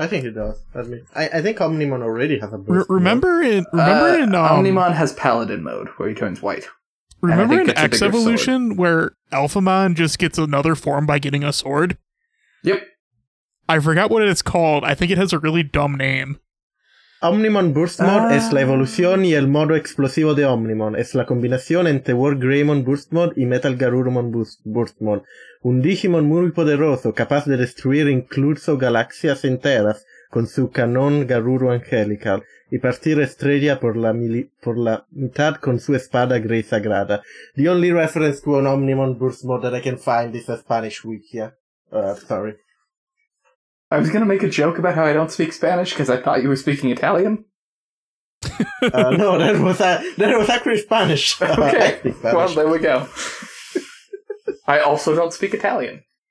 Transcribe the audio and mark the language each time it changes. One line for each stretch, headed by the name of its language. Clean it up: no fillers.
English: I think it does. I think Omnimon already has a boost. Omnimon has Paladin mode, where he turns white. Remember in X Evolution, where Alphamon just gets another form by getting a sword? Yep. I forgot what it's called. I think it has a really dumb name.
Spanish: Omnimon Burst Mode es la evolución y el modo explosivo de Omnimon. Es la combinación entre War Greymon Burst Mode y Metal Garurumon Burst Mode. Un Digimon muy poderoso, capaz de destruir incluso galaxias enteras con su canón Garuru Angelical y partir estrella por la mitad con su espada Grey Sagrada.
English: The only reference to an Omnimon Burst Mode that I can find is a Spanish wikia. Sorry. I was going to make a joke about how I don't speak Spanish because I thought you were speaking Italian. No, that was actually Spanish. Okay, Spanish. Well, there we go. I also don't speak Italian.